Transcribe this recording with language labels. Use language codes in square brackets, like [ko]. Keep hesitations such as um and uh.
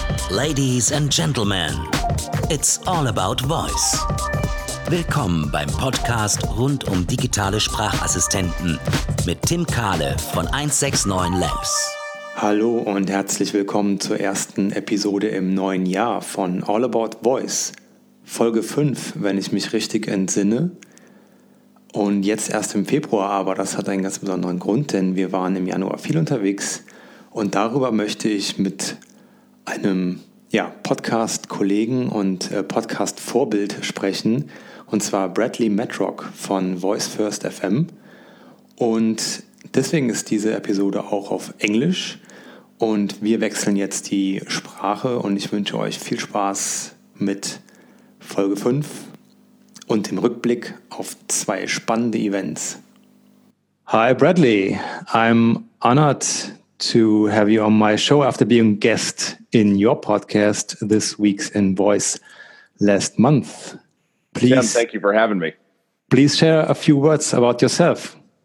[en] Ladies and Gentlemen, it's all about voice. [de] Willkommen beim Podcast rund um digitale Sprachassistenten mit Tim Kahle von 169 Labs. Hallo und herzlich willkommen zur ersten Episode im neuen Jahr von All About Voice. Folge 5, wenn ich mich richtig entsinne. Und jetzt erst im Februar, aber das hat einen ganz besonderen Grund, denn wir waren im Januar viel unterwegs und darüber möchte ich mit einem ja, Podcast-Kollegen und äh, Podcast-Vorbild sprechen, und zwar Bradley Matrock von Voice First FM. Und deswegen ist diese Episode auch auf Englisch. Und wir wechseln jetzt die Sprache und ich wünsche euch viel Spaß mit Folge 5 und dem Rückblick auf zwei spannende Events. [en] Hi Bradley, I'm honored to have you on my show after being guest in your podcast this week's in voice last month. Please, Tim, thank you for having me. please share a few words about yourself.